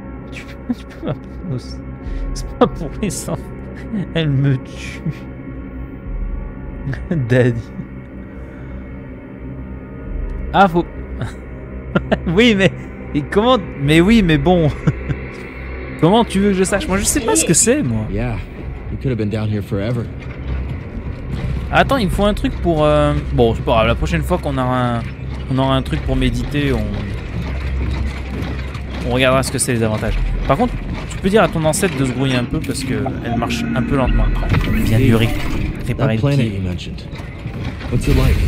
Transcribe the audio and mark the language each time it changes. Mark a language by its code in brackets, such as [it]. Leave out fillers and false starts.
[fr] Tu peux m'apprendre aussi. C'est pas pour les enfants. Elle me tue. [en] Daddy. [fr] Ah, faut... Oui, mais... Et comment... Mais oui, mais bon. Comment tu veux que je sache? Moi, je sais pas ce que c'est, moi. [en] Yeah, you could have been down here forever. [fr] Attends, il me faut un truc pour... Bon, c'est pas grave, la prochaine fois qu'on aura un truc pour méditer, on regardera ce que c'est les avantages. Par contre, tu peux dire à ton ancêtre de se grouiller un peu parce qu'elle marche un peu lentement. Bien duré. Réparer le pied. [en] That planet you mentioned. What's it like?